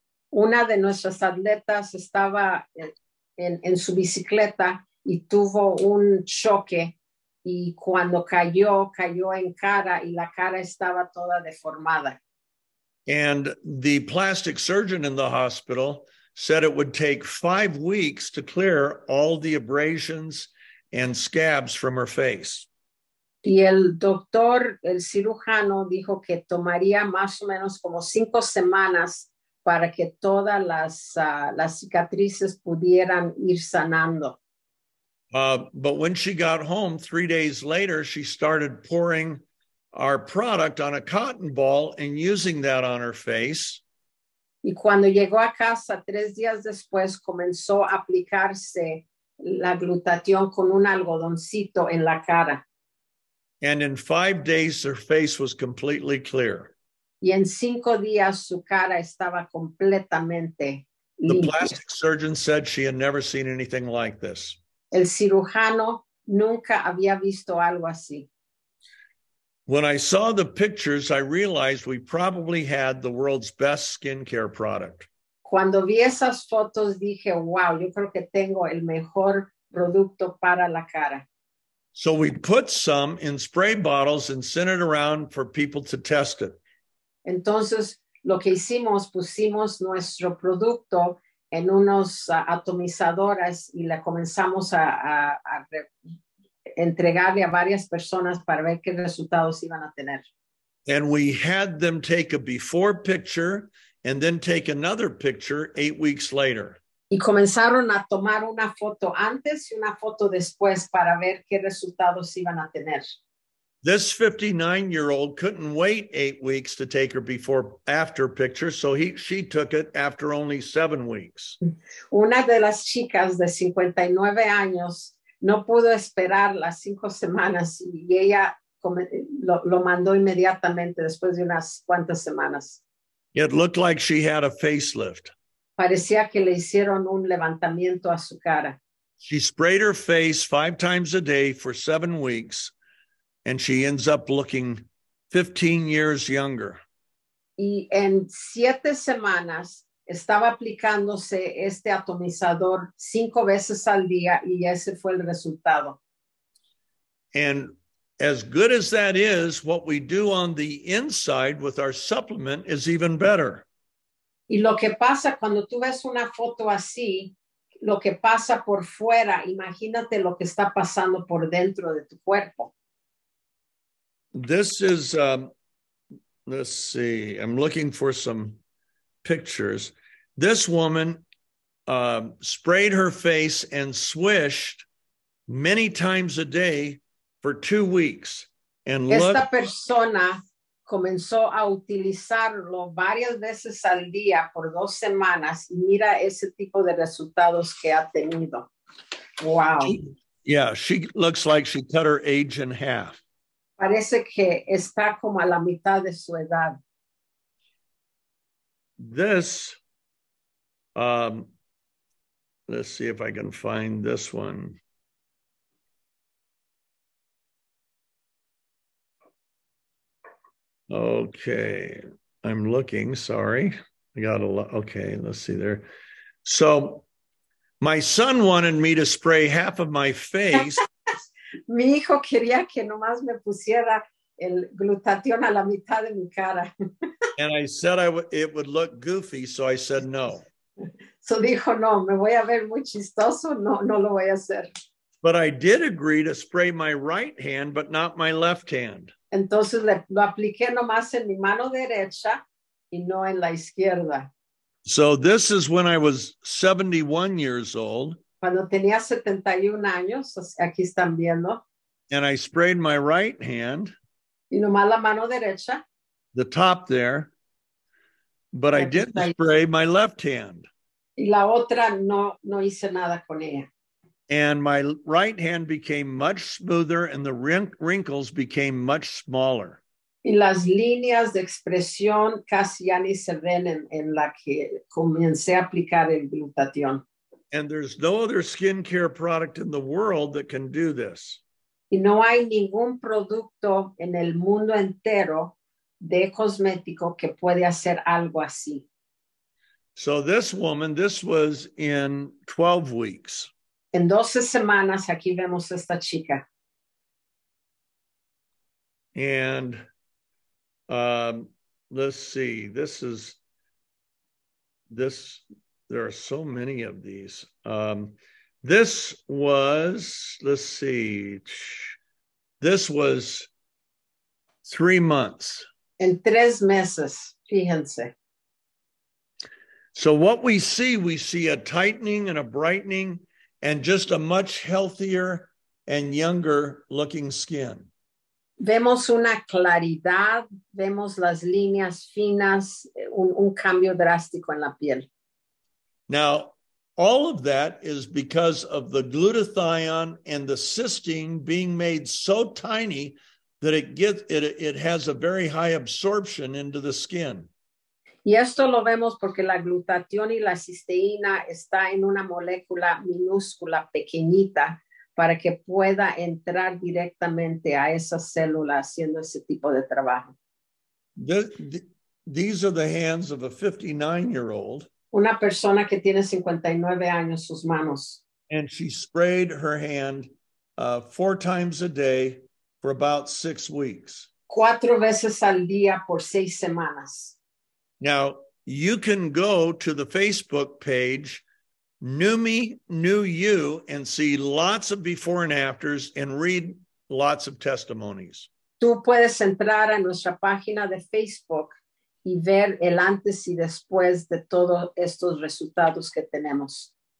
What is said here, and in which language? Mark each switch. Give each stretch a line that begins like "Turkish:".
Spanish: Una de nuestras atletas estaba en su bicicleta y tuvo un choque, y cuando cayó en cara, y la cara estaba toda deformada.
English: And the plastic surgeon in the hospital said it would take 5 weeks to clear all the abrasions and scabs from her face.
Spanish: Y el doctor, el cirujano, dijo que tomaría más o menos como 5 semanas para que todas las cicatrices pudieran ir sanando.
English: But when she got home 3 days later, she started pouring our product on a cotton ball and using that on her face.
Spanish: Y cuando llegó a casa 3 días después, comenzó a aplicarse la glutatión con un algodoncito en la cara.
English: And in 5 days, her face was completely clear.
Spanish: Y en 5 días, su cara estaba completamente limpia.
English: The plastic surgeon said she had never seen anything like this.
Spanish: El cirujano nunca había visto algo así.
English: When I saw the pictures, I realized we probably had the world's best skincare product.
Spanish: Cuando vi esas fotos, dije, wow, yo creo que tengo el mejor producto para la cara.
English: So we put some in spray bottles and sent it around for people to test it.
Spanish: Entonces, lo que hicimos, pusimos nuestro producto en unos atomizadoras y la comenzamos a entregarle a varias personas para ver qué resultados iban a tener.
English: And we had them take a before picture and then take another picture 8 weeks later.
Spanish: Y comenzaron a tomar una foto antes y una foto después para ver qué resultados iban a tener.
English: This 59-year-old couldn't wait 8 weeks to take her before after picture, so she took it after only 7 weeks.
Spanish: Una de las chicas de 59 años no pudo esperar las 5 semanas y ella lo mandó inmediatamente después de unas cuantas semanas.
English: It looked like she had a facelift.
Spanish: Parecía que le hicieron un levantamiento a su cara.
English: She sprayed her face 5 times a day for 7 weeks, and she ends up looking 15 years younger.
Spanish: Y en 7 semanas estaba aplicándose este atomizador 5 veces al día, y ese fue el resultado.
English: And as good as that is, what we do on the inside with our supplement is even better.
Spanish: Y lo que pasa cuando tú ves una foto así, lo que pasa por fuera, imagínate lo que está pasando por dentro de tu cuerpo.
English: This is, let's see, I'm looking for some pictures. This woman sprayed her face and swished many times a day for 2 weeks. And look.
Spanish: Esta persona comenzó a utilizarlo varias veces al día por 2 semanas y mira ese tipo de resultados que ha tenido.
English: Wow. Yeah, she looks like she cut her age in half.
Spanish: Parece que está como a la mitad de su edad.
English: This, let's see if I can find this one. Okay, I'm looking, sorry. I got a lot, okay, let's see there. So, my son wanted me to spray half of my face.
Spanish: Mi hijo quería que nomás me pusiera el glutatión a la mitad de mi cara.
English: And I said it would look goofy, so I said no.
Spanish: So dijo, no, me voy a ver muy chistoso, no, no lo voy a hacer.
English: But I did agree to spray my right hand, but not my left hand.
Spanish: Entonces lo apliqué nomás en mi mano derecha y no en la izquierda.
English: So this is when I was 71 years old.
Spanish: Cuando tenía 71 años, aquí están viendo.
English: And I sprayed my right hand.
Spanish: Y nomás la mano derecha.
English: The top there. But I didn't spray my left hand.
Spanish: Y la otra no hice nada con ella.
English: And my right hand became much smoother and the wrinkles became much smaller.
Spanish: Y las líneas de expresión casi ya ni se ven en la que comencé a aplicar el glutatión.
English: And there's no other skincare product in the world that can do this.
Spanish: Y no hay ningún producto en el mundo entero de cosmético que puede hacer algo así.
English: So this woman, this was in 12 weeks.
Spanish: En 12 semanas, aquí vemos esta chica.
English: And let's see, there are so many of these. This was, let's see, this was 3 months.
Spanish: En 3 meses, fíjense.
English: So what we see a tightening and a brightening and just a much healthier and younger looking skin.
Spanish: Vemos una claridad, vemos las líneas finas, un cambio drástico en la piel.
English: Now, all of that is because of the glutathione and the cysteine being made so tiny that it has a very high absorption into the skin.
Spanish: Y esto lo vemos porque la glutatión y la cisteína está en una molécula minúscula, pequeñita, para que pueda entrar directamente a esas células haciendo ese tipo de trabajo.
English: These are the hands of a 59-year-old.
Spanish: Una persona que tiene 59 años, sus manos.
English: And she sprayed her hand four times a day for about 6 weeks.
Spanish: Cuatro veces al día por seis semanas.
English: Now, you can go to the Facebook page, New Me, New You, and see lots of before and afters and read lots of testimonies.
Spanish: Tú puedes entrar a nuestra página de Facebook y ver el antes y después de todos estos resultados que tenemos.